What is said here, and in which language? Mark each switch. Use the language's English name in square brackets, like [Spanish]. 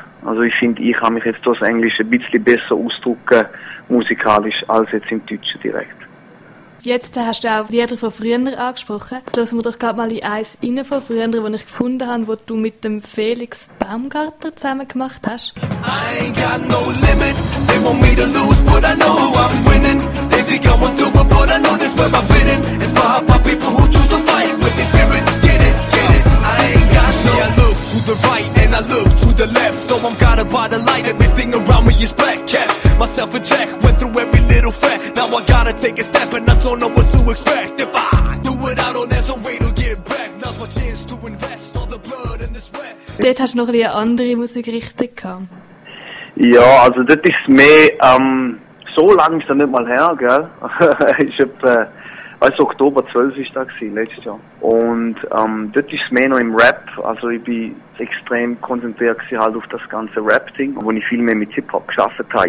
[German] Also ich finde, ich kann mich jetzt durch das Englische ein bisschen besser ausdrücken, musikalisch, als jetzt im Deutschen direkt. Jetzt hast du auch Lieder von früher angesprochen. Jetzt lassen wir doch gerade mal in eins rein von früher, das ich gefunden habe, wo du mit dem Felix Baumgartner zusammen gemacht hast. [English] I ain't got no limit, they want me to lose, but I know I'm winning. They think I'm on tour, but I know this where I'm fitting. It's my heart, my people who choose to fight with the spirit. Get it, get it, I ain't got no. Yeah, I look to the right and I look to the left. So I'm guided by the light, everything around me is black. Kept myself in check, went through every little fret. Now I gotta take a step and I don't know what to expect. If I do it, I don't have no way to get back. Not my chance to invest all the blood and the sweat. [German] Dort hast du noch eine andere Musikrichtung gehabt. Ja, also das ist mehr, so lange ist das nicht mal her, gell? Ich hab, weißt du, Oktober 12 ist das gewesen, letztes Jahr. Und das ist mehr noch im Rap, also ich bin extrem konzentriert gewesen halt auf das ganze Rap-Ding, wo ich viel mehr mit Hip-Hop gearbeitet habe.